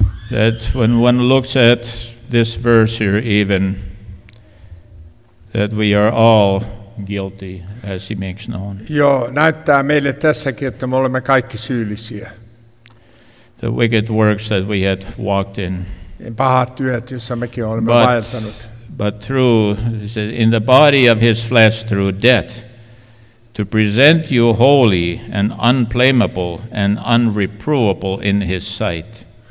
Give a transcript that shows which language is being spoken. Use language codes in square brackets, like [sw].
[en] That when one looks at this verse here even, that we are all guilty, as he makes known. [fi] Joo, näyttää meille tässäkin, että me olemme kaikki syyllisiä. [en] The wicked works that we had walked in. [fi] Pahat työt, joissa mekin olemme vaeltanut. [en] But through, in the body of his flesh through death, to present you holy and unblameable and unreprovable in his sight.